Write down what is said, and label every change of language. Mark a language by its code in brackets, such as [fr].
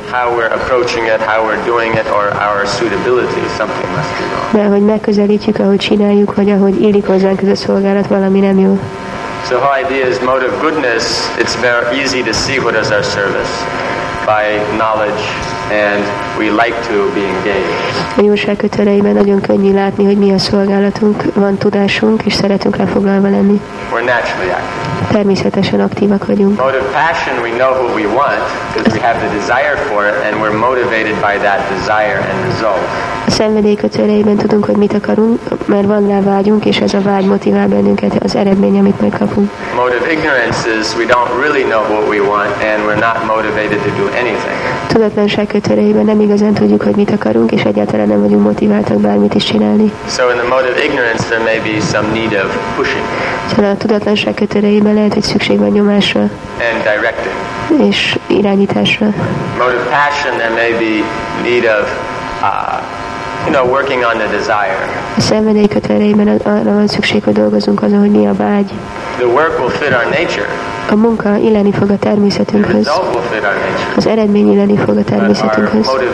[en] How we're approaching it, how we're doing it, or our suitability, something must be wrong. [hu] De ahogy megközelítjük, ahogy csináljuk, vagy ahogy illik hozzánk ez a szolgálat, valami nem jó. [en] So our idea is mode of goodness, it's very easy to see what is our service. By knowledge, and we like to be engaged. [hu] A jóság köteleiben nagyon könnyű látni, hogy mi a szolgálatunk, van tudásunk, és szeretünk lefoglalva lenni. [en] We're naturally active. [hu] Természetesen aktívak vagyunk. [en] Mode of passion, we know who we want, because we have the desire for it, and we're motivated by that desire and result. [hu] A szenvedély köteleiben tudunk, hogy mit akarunk, mert van rá vágyunk, és ez a vágy motivál bennünket az eredmény, amit megkapunk. [en] Mode of ignorance is, we don't really know what we want, and we're not motivated to do anything. [hu] Tudatlanság köteleiben nem igazán tudjuk, hogy mit akarunk, és egyáltalán nem vagyunk motiváltak bármit is csinálni. [en] So in the mode of ignorance there may be some need of pushing. [hu] Szóval a tudatlanság köteleiben lehet, hogy szükség van nyomásra. [en] And directing. [hu] És irányításra. [en] Mode of passion there may be need of working on the desire. [hu] A szenvedély köteleiben arra van szükség, hogy dolgozunk azon, hogy mi a vágy. [en] The work will fit our nature. [hu] A munka illeni fog a természetünkhöz. Az eredmény illeni fog a természetünkhöz.